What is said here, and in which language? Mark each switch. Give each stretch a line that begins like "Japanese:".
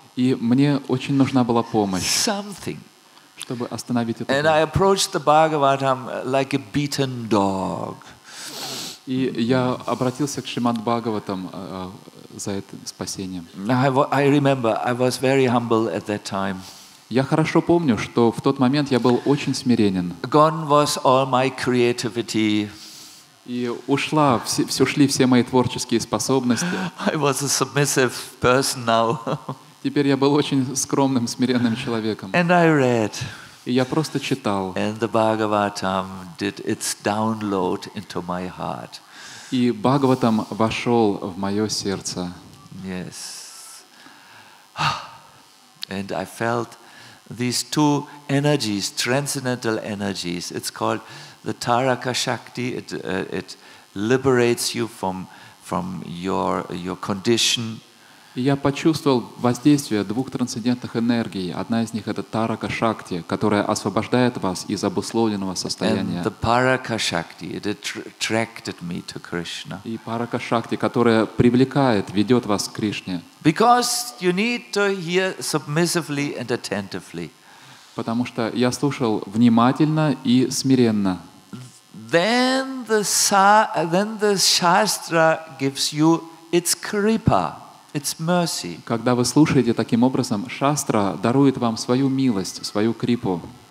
Russian: И мне очень нужна была помощь.
English: Something.
Russian: Чтобы остановить эту боль.
English: And I approached the Bhagavatam like a beaten dog.
Russian: И я обратился к Шримад Бхагаватам за этим спасением.
English: I remember, I was very humble at that time.
Russian: Я хорошо помню, что в тот момент я был очень смиренен.
English: Gone was all my creativity.
Russian: И ушла, ушли все мои творческие способности.
English: I was a submissive person now.
Russian: Теперь я был очень скромным, смиренным человеком.
English: And I read.
Russian: И я просто читал.
English: And the Bhagavatam did its download into my heart.
Russian: И Бхагаватам вошел в мое сердце.
English: Yes. And I felt these two energies, transcendental energies, it's called the Taraka Shakti. It liberates you from your condition.
Russian: Я почувствовал воздействие двух трансцендентных энергий. Одна из них — это тарака-шакти, которая освобождает вас из обусловленного состояния.
English: The paraka-шакти, it attracted me to Krishna.
Russian: И парака-шакти, которая привлекает, ведет вас к Кришне.
English: Because you need to hear submissively and attentively.
Russian: Потому что я слушал внимательно и смиренно.
English: Then the shastra gives you its kripa. It's mercy.
Russian: Когда вы слушаете таким образом, шастра дарует вам свою милость, свою крипу.